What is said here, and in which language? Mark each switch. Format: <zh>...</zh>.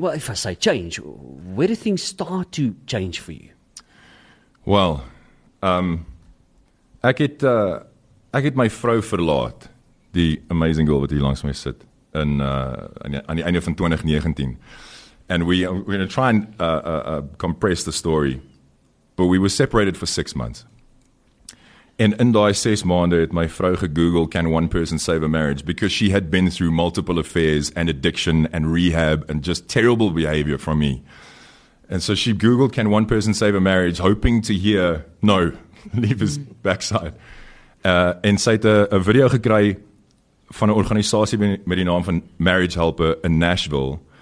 <en>Well, if I say change, where did things start to change for you?</en> <af>Well, ek het my vrou verlaat. Die</af> <en>amazing girl</en> <af>wat hier langs my sit. In, aan die einde van 2019.</af> <en>And we're going to try and compress the story. But we were separated for 6 months. And</en> <af>in die 6 maande het my vrou gegoogle,</af> <en>can one person save a marriage? Because she had been through multiple affairs and addiction and rehab and just terrible behavior from me. And so she googled, can one person save a marriage? Hoping to hear, no, leave his backside.</en> <af>En sy het a video gekry van 'n organisasie met die naam van Marriage Helper in Nashville.</af>